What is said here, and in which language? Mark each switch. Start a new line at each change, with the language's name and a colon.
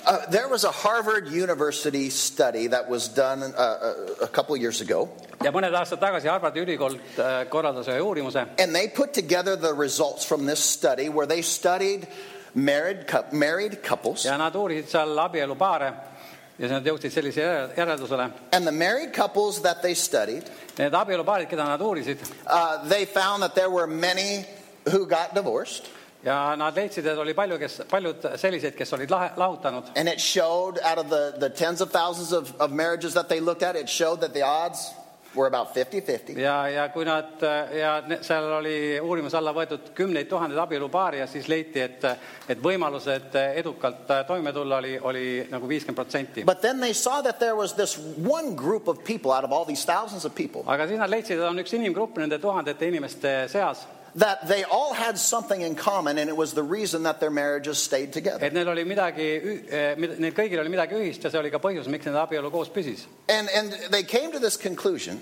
English: There was a Harvard University study that was done a couple years ago.
Estonian: Ja mõned aastat tagasi Harvard ülikoolt korraldas ühe uurimuse.
English: And they put together the results from this study where they studied married couples.
Estonian: Ja nad uurisid seal abielu paare. Ja nad jõudsid sellise järeldusele.
English: And the married couples that they studied,
Estonian: need abielu paarid, keda nad uurisid,
English: they found that there were many who got divorced.
Estonian: Ja nad leidsid, et oli palju, kes, paljud sellised, kes olid lahutanud.
English: And it showed out of the tens of thousands of marriages that they looked at, it showed that the odds were about 50-50.
Estonian: Ja kui nad, ja seal oli uurimus alla võetud kümneid tuhandeid abielupaari ja siis leiti, et võimalused edukalt toime tulla oli nagu 50%.
English: But then they saw that there was this one group of people out of all these thousands of people.
Estonian: Aga siis nad leidsid, et on üks inimgrupp nende tuhandete inimeste seas.
English: That they all had something in common and it was the reason that their marriages stayed together.
Estonian: Et neil oli midagi, neil kõigil oli midagi ühist ja see oli ka põhjus, miks need abielu koos püsis.
English: And they came to this conclusion.